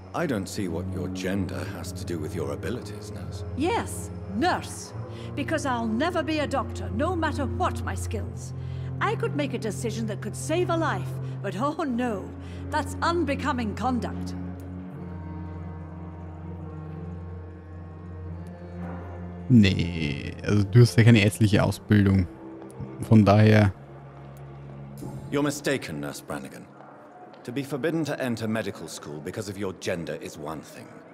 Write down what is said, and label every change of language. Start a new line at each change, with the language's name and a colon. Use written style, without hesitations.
English: I don't see what your gender has to do with your abilities, nurse. Yes, nurse. Because I'll never be a doctor, no matter what my skills. I could make a decision that could save a life, but oh no, that's unbecoming conduct.
German: Nee, also du hast ja keine ärztliche Ausbildung. Von daher...
English: You're mistaken, Nurse Brannigan. To be forbidden to enter medical school because of your gender is one thing.